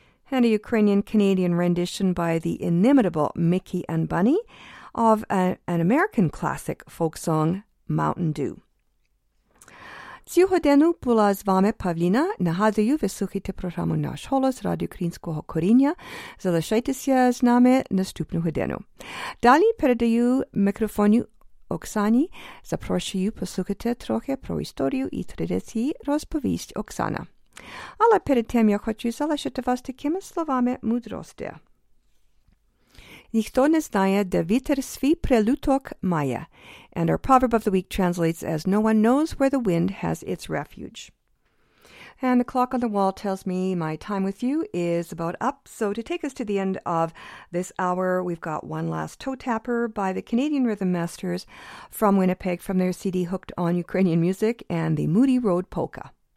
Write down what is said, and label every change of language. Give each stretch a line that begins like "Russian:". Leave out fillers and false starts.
English: And a Ukrainian-Canadian rendition by the inimitable Mickey and Bunny of an American classic folk song, Mountain Dew.
Ukrainian: Цього дня була з вами Павліна. Нагадую, ви слухаєте програму «Наш голос» Радіо Українського коріння. Залишайтеся з нами наступну годину. Далі передаю мікрофоню Оксані. Запрошую послухати трохи про історію і традиції. Розповість Оксана. Але перед тим я хочу залишити вас такими словами мудрості. Ніхто не знає, де вітер свій прилюток має.
English: And our proverb of the week translates as no one knows where the wind has its refuge. And the clock on the wall tells me my time with you is about up. So to take us to the end of this hour, we've got one last Toe Tapper by the Canadian Rhythm Masters from Winnipeg from their CD Hooked on Ukrainian Music and the Moody Road Polka.